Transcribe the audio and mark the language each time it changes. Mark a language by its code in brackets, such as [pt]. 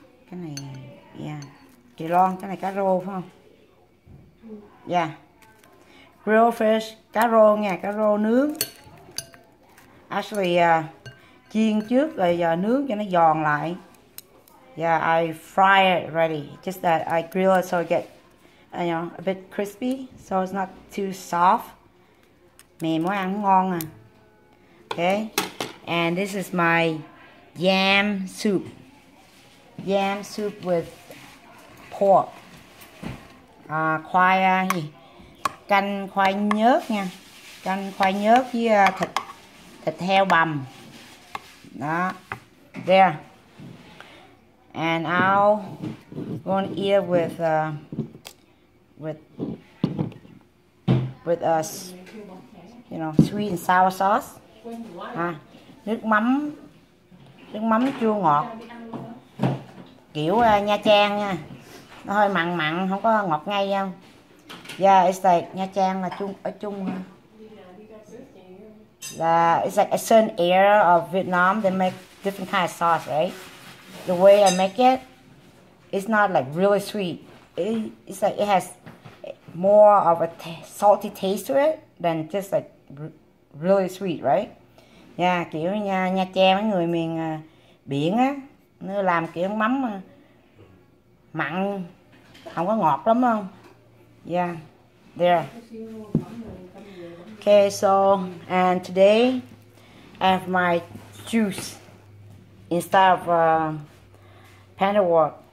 [vi] Cái này, yeah. Chị Loan, cái này cá rô phải không? Yeah. [en] Grilled fish, [vi] cá rô nha, cá rô nướng. Actually, chiên trước rồi nướng cho nó giòn lại. [en] Yeah, I fry it ready. Just that I grill it so it get, you know, a bit crispy. So it's not too soft. [vi] Mềm quá, ăn ngon à. [en] Okay. And this is my yam soup. Yam soup with pork, [vi] khoai gì, canh khoai nhớt nha, canh khoai nhớt với thịt heo bằm, đó, there, [en] and I'll gonna eat with us, you know, sweet and sour sauce, [vi] nước mắm chua ngọt, kiểu Nha Trang nha. Nó hơi mặn mặn, không có ngọt ngay nha. Yeah, it's like Nha Trang là chung, ở chung. [en] Yeah, it's like a certain area of Vietnam, they make different kind of sauce, right? The way I make it, it's not like really sweet. It's like it has more of a salty taste to it than just like really sweet, right? [vi] Yeah, kiểu Nha Trang, mấy người miền biển á, nó làm kiểu mắm mà. Mặn, không có ngọt lắm không? [en] Yeah, there. Okay, so, and today I have my juice instead of panda wort.